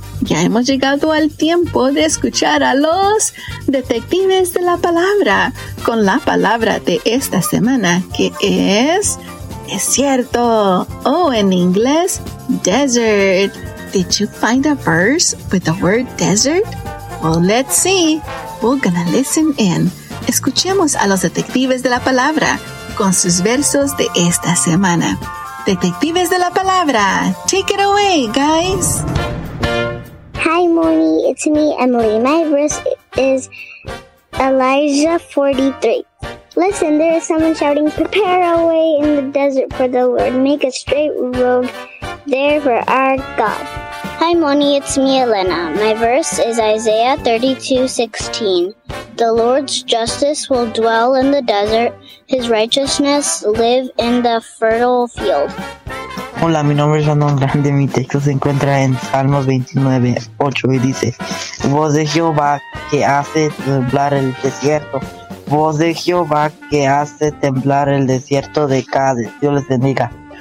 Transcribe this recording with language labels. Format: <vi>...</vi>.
<es>Ya hemos llegado al tiempo de escuchar a los detectives de la palabra con la palabra de esta semana, que es desierto, o en inglés, desert.</es> <en>Did you find a verse with the word desert? Well, let's see. We're gonna listen in.</en> <es>Escuchemos a los detectives de la palabra con sus versos de esta semana. Detectives de la palabra,</es> <en>take it away, guys. Hi, Moni. It's me, Emily. My verse is Elijah 43. Listen, there is someone shouting, prepare a way in the desert for the Lord. Make a straight road there for our God. Hi, Moni. It's me, Elena. My verse is Isaiah 32:16. The Lord's justice will dwell in the desert. His righteousness live in the fertile field.</en> <es>Hola, mi nombre es Andón Grande, mi texto se encuentra en Salmos 29:8 y dice, voz de Jehová que hace temblar el desierto, voz de Jehová que hace temblar el desierto de Cádiz, Dios les bendiga.</es>